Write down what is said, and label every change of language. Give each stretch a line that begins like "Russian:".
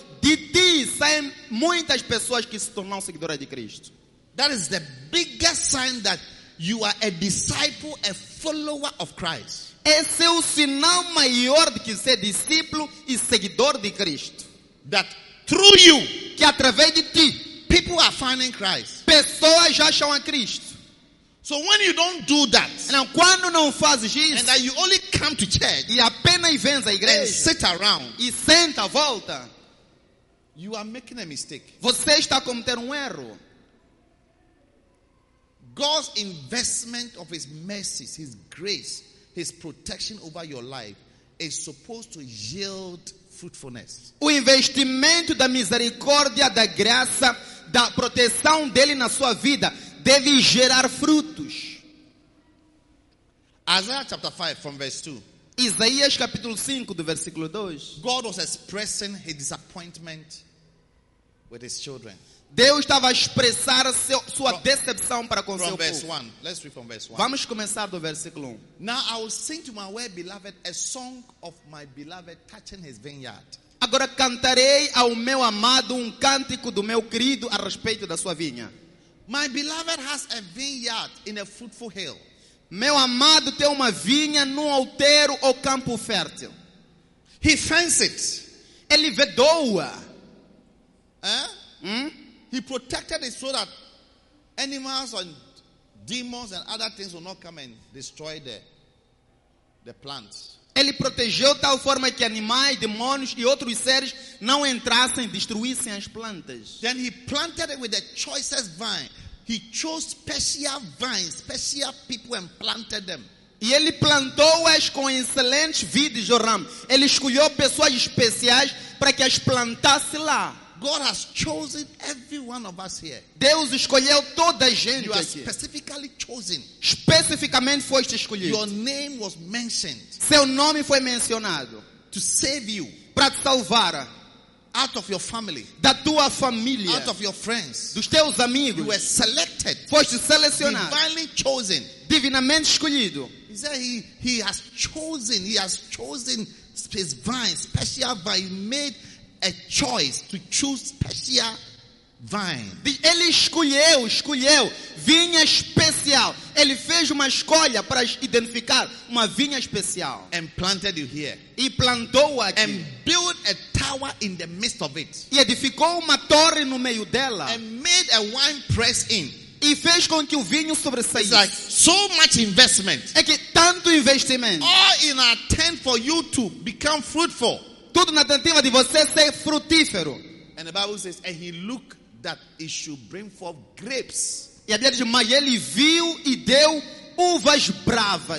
Portuguese: De ti saem muitas pessoas que se tornam seguidoras de Cristo.
English: That is the biggest sign that you are a disciple, a follower of Christ.
Portuguese: Esse é o sinal maior de que ser discípulo e seguidor de Cristo.
English: That through you,
Portuguese: que através de ti,
English: people are finding Christ.
Portuguese: Pessoas já acham a Cristo.
English: So when you don't do that,
Portuguese: então, quando não fazes isso,
English: and that you only come to church,
Portuguese: e apenas vens à igreja,
English: and sit around,
Portuguese: e senta à volta,
English: you are making a mistake.
Portuguese: Você está a cometer um erro.
English: God's investment of His mercies, His grace, His protection over your life is supposed to yield fruitfulness.
Portuguese: O investimento da misericórdia, da graça, da proteção dele na sua vida deve gerar frutos.
English: Isaiah chapter 5 from verse 2.
Portuguese: Isaías capítulo 5 do versículo 2.
English: God was expressing His disappointment with His children.
Portuguese: Deus estava a expressar sua decepção para com seu povo.
English: Let's read from verse 1.
Portuguese: Vamos começar do versículo 1.
English: Now I will sing to my well beloved a song of my beloved touching his vineyard.
Portuguese: Agora cantarei ao meu amado um cântico do meu querido a respeito da sua vinha.
English: My beloved has a vineyard in a fruitful hill.
Portuguese: Meu amado tem uma vinha num outeiro ou campo fértil.
English: He fenced it.
Portuguese: Ele vedou-a.
English: He protected it so that animals and demons and other things will not come and destroy the plants.
Portuguese: Ele protegeu tal forma que animais, demônios e outros seres não entrassem e destruíssem as plantas.
English: Then he planted it with the choicest vine. He chose special vines, special people and planted them.
Portuguese: E ele plantou-as com excelentes vides, Joram. Ele escolheu pessoas especiais para que as plantasse lá.
English: God has chosen every one of us here.
Portuguese: Deus escolheu toda a gente.
English: You are specifically chosen.
Portuguese: Especificamente foste escolhido.
English: Your name was mentioned.
Portuguese: Seu nome foi mencionado.
English: To save you.
Portuguese: Para te salvar.
English: Out of your family.
Portuguese: Da tua família.
English: Out of your friends.
Portuguese: Dos teus amigos.
English: You were selected.
Portuguese: Foste selecionado.
English: Divinely chosen.
Portuguese: Divinamente escolhido.
English: He said he has chosen. He has chosen his vine, special vine made. A choice to choose special vine.
Portuguese: Ele escolheu vinha especial. Ele fez uma escolha para identificar uma vinha especial.
English: And planted you here.
Portuguese: E plantou aqui.
English: And built a tower in the midst of it.
Portuguese: E edificou uma torre no meio dela.
English: And made a wine press in.
Portuguese: E fez com que o vinho sobressaísse.
English: Like so much investment.
Portuguese: É que tanto investimento.
English: All in an attempt for you to become fruitful.
Portuguese: Tudo na tentativa de você ser frutífero.
English: And the Bible says, and he looked that it should bring forth grapes.
Portuguese: E a Bíblia diz, mas ele viu e deu uvas bravas.